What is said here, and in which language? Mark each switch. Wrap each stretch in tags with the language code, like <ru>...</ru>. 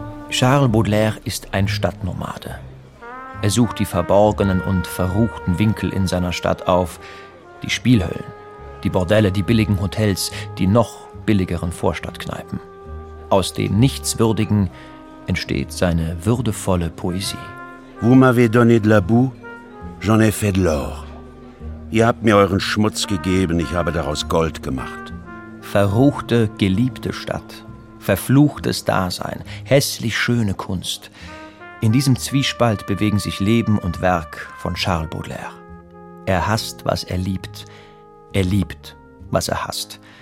<de>Charles Baudelaire ist ein Stadtnomade. Er sucht die verborgenen und verruchten Winkel in seiner Stadt auf, die Spielhöllen, die Bordelle, die billigen Hotels, die noch billigeren Vorstadtkneipen. Aus dem Nichtswürdigen entsteht seine würdevolle Poesie.</de> <fr>Vous m'avez donné de la boue, j'en ai fait de l'or.</fr> <de>Ihr habt mir euren Schmutz gegeben, ich habe daraus Gold gemacht. Verruchte, geliebte Stadt. Verfluchtes Dasein, hässlich schöne Kunst. In diesem Zwiespalt bewegen sich Leben und Werk von Charles Baudelaire. Er hasst, was er liebt. Er liebt, was er hasst.</de>